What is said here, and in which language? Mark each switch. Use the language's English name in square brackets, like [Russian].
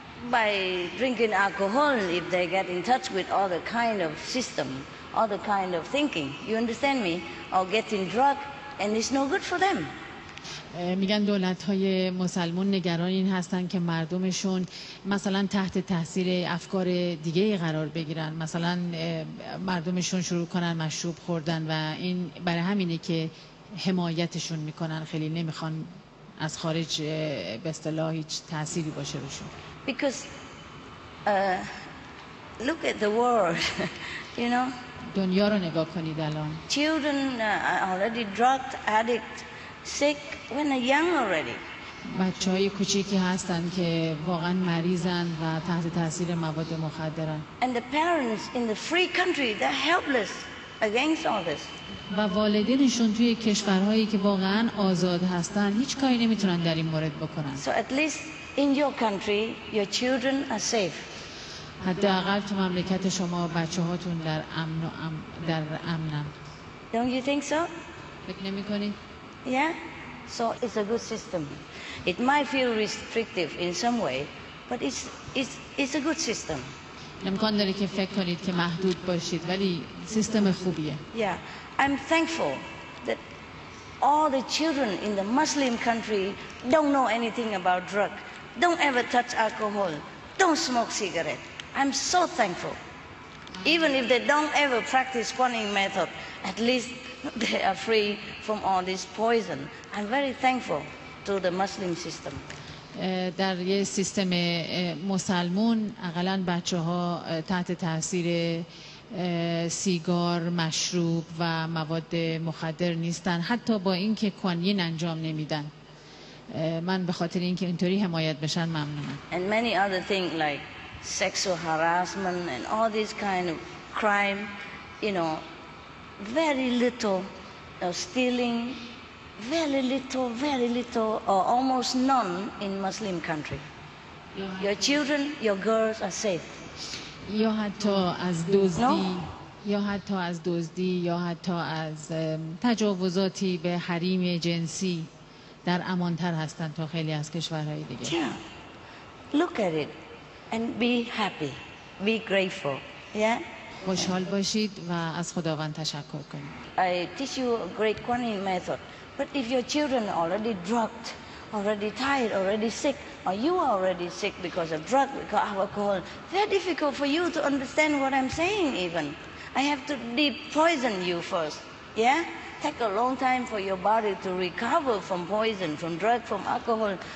[English] By drinking alcohol if they get in touch with all the kind of system all the kind of thinking you understand me or getting drug and it's no good for them [Persian] میگن دولت های مسلمان نگران این هستن که مردمشون مثلا تحت تاثیر افکار دیگه قرار بگیرن مثلا مردمشون شروع کنن مشروب خوردن و این برای همینه که حمایتشون میکنن خیلی نمیخوان از خارج به اصطلاح هیچ تأثیری باشه روشون [English] Because look at the world, you know. [Persian] دنیا رو نگاه کنید الان. [English] Children are already drugged, addicted, sick when they're young already. [Persian] بچه‌های کوچیکی هستن که واقعاً مریضن و تحت تاثیر مواد مخدرن. [English] And the parents in the free country, they're helpless against all this. [Persian] و والدینشون توی کشورهایی که واقعاً آزاد هستن هیچ کاری نمیتونن در این مورد بکنن. [English] So at least In your country, your children are safe. [Persian] حداقل تو مملکت شما بچه‌هاتون در امن و در امنن. [English] Don't you think so? [Persian] فکر نمی‌کنی؟ [English] Yeah. So it's a good system. It might feel restrictive in some way, but it's a good system. [Persian] امکان داره که فکر کنید که محدود باشید ولی سیستم خوبیه. [English] Yeah. I'm thankful that all the children in the Muslim country don't know anything about drug. Don't ever touch alcohol. Don't smoke cigarette. I'm so thankful. Even if they don't ever practice quanning method, at least they are free from all this poison. I'm very thankful to the Muslim system. [Persian] در یه سیستم مسلمون اقلا بچه‌ها تحت تاثیر سیگار، مشروب و مواد مخدر نیستن. حتی با اینکه کوانین انجام نمیدن. من به خاطر اینکه اینطوری حمایت بشن ممنونم. [English] And many other things like sexual harassment and all these kind of crime, you know, very little stealing, very little or almost none in Muslim country. Your children, your girls are safe. [Persian] یا حتی از دزدی یا حتی از دزدی یا حتی از تجاوزاتی به حریم جنسی در امانتر هستند تا خیلی از کشورهای دیگه. [English] Yeah. Look at it and be happy. Be grateful. Yeah. [Persian] خوشحال باشید و از خداوند تشکر کنید. [English] I teach you a great quantum method. But if your children are already drugged, already tired, already sick, or you are already sick because of drug, because of alcohol, very difficult for you to understand what I'm saying even. I have to de-poison you first. Yeah? Take a long time for your body to recover from poison, from drug, from alcohol.